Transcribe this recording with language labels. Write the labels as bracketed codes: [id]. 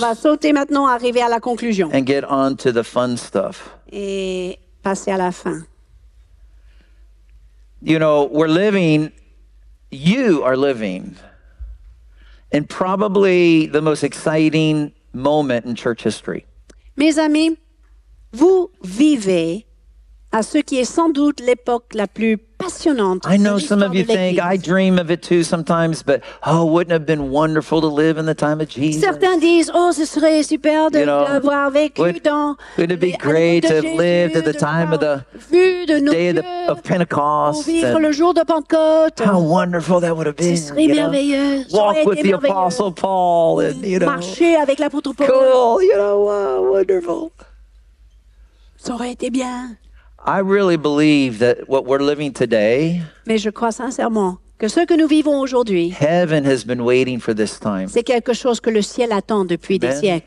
[fr] On va sauter maintenant, arriver à la conclusion. [en] And get on to the fun stuff. [fr] Et passer à la fin. [en] You know, we're living, you are living in probably the most exciting moment in church history. [fr] Mes amis, vous vivez à ce qui est sans doute l'époque la plus passionnante. [en] I know some of you think, I dream of it too sometimes, but oh, wouldn't it have been wonderful to live in the time of Jesus? [fr] Certains disent, oh, ce serait super de l'avoir vécu dans. [en] Wouldn't it be great to have lived at the time of the day of Pentecost? [fr] Vivre le jour de Pentecôte. [en] How wonderful that would have been. [fr] Ce serait merveilleux. [en] Walk with the Apostle Paul and, you know. [fr] Marcher avec l'apôtre Paul. [en] Cool, you know, wow, wonderful. [fr] Ça aurait été bien. [en] I really believe that what we're living today. [fr] Mais je crois sincèrement que ce que nous vivons aujourd'hui. [en] Heaven has been waiting for this time. [fr] C'est quelque chose que le ciel attend depuis des siècles.